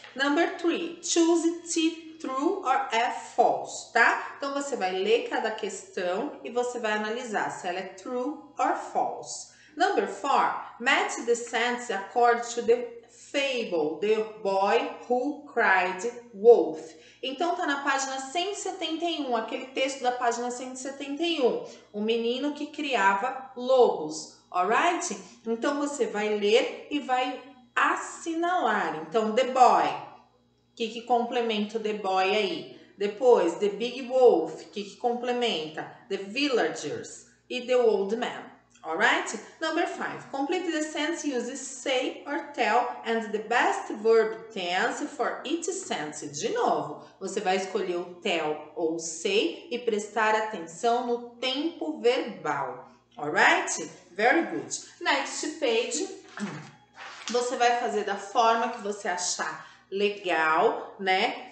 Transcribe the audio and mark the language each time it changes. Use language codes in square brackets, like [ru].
[en] Number 3, choose T true or F false, tá? [pt] Então, você vai ler cada questão e você vai analisar se ela é [en] true or false. Number 4, match the sentence according to the fable, the boy who cried wolf. [pt] Então, tá na página 171, aquele texto da página 171. O menino que criava lobos, alright? Então, você vai ler e vai assinalar. Então, the boy, que complementa o the boy aí? Depois, the big wolf, que complementa? The villagers e the old man. Alright? Number 5. [en] Complete the sentence using say or tell and the best verb tense for each sentence. [pt] De novo, você vai escolher o tell ou say e prestar atenção no tempo verbal. [en] Alright? Very good. Next page. [pt] Você vai fazer da forma que você achar legal, né?